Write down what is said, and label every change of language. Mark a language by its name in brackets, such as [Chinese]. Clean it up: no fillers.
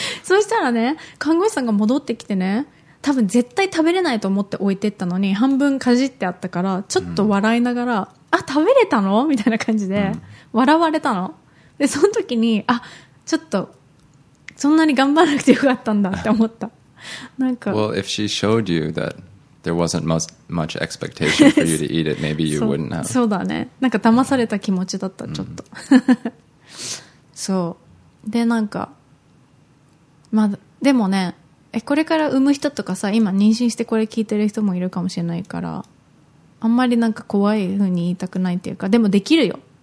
[Japanese] そうしたらね、看護師さんが戻ってきてね、多分絶対食べれないと思って置いてったのに半分かじってあったからちょっと笑いながら、あ、食べれたの? みたいな感じで笑われたの。で、その時に、あ、ちょっとそんなに頑張らなくてよかったんだって思った。なんか [English] well, if she showed you that there wasn't much expectation for you to eat it, maybe you wouldn't have. [Japanese] そうだね。なんか騙された気持ちだった、ちょっと。そう。で、なんか、まあ、でもね、これから産む人とかさ、今妊娠してこれ聞いてる人もいるかもしれないから、あんまりなんか怖い風に言いたくないっていうか、でもできるよ。